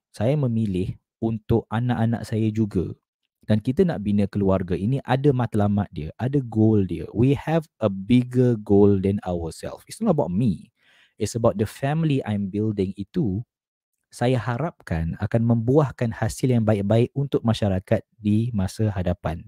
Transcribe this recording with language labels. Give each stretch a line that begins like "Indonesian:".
Malay: Saya memilih untuk anak-anak saya juga. Dan kita nak bina keluarga ini ada matlamat dia, ada goal dia.
English: We have a bigger goal than ourselves. It's not about me. It's about the family I'm building itu.
Malay: Saya harapkan akan membuahkan hasil yang baik-baik untuk masyarakat di masa hadapan.